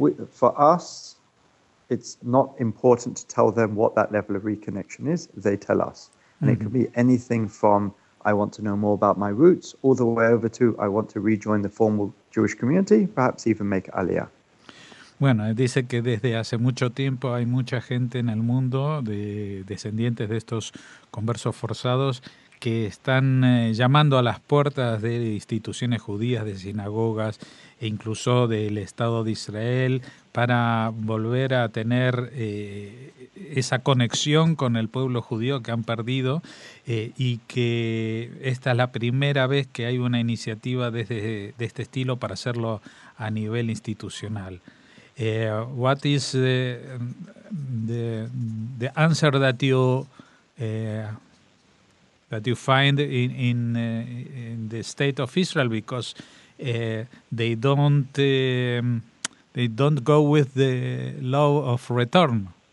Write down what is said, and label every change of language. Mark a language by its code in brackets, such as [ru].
[en] For us, it's not important to tell them what that level of reconnection is, they tell us. Mm-hmm. And it can be anything from, I want to know more about my roots, all the way over to, I want to rejoin the formal Jewish community, perhaps even make aliyah. [es] Bueno, dice que desde hace mucho tiempo hay mucha gente en el mundo de descendientes de estos conversos forzados que están llamando a las puertas de instituciones judías, de sinagogas e incluso del Estado de Israel para volver a tener esa conexión con el pueblo judío que han perdido y que esta es la primera vez que hay una iniciativa de este estilo para hacerlo a nivel institucional. [en] What is the answer that you find in the state of Israel, because they don't go with the law of return?